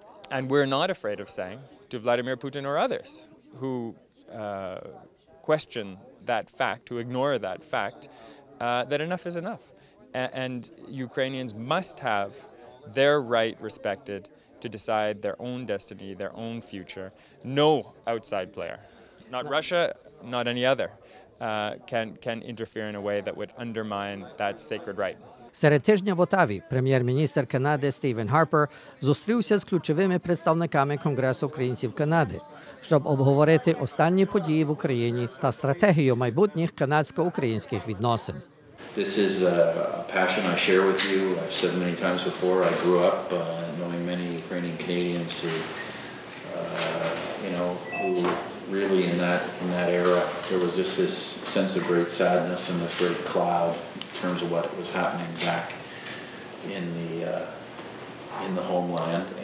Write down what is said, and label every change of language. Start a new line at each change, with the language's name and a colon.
English: And we're not afraid of saying to Vladimir Putin or others who question that fact, who ignore that fact, that enough is enough. And Ukrainians must have their right respected to decide their own destiny, their own future. No outside player, not Russia, not any other, can interfere in a way that would undermine that sacred right.
Ukrainian: Серед тижня в Отаві прем'єр-міністр Канади Стівен Харпер зустрівся з ключовими представниками Конгресу українців Канади, щоб обговорити останні події в Україні та стратегію майбутніх канадсько-українських відносин.
English: This is a passion I share with you. I've said many times before, I grew up knowing many Ukrainian Canadians who really in that era there was just this sense of great sadness and this great cloud in terms of what was happening back in the homeland.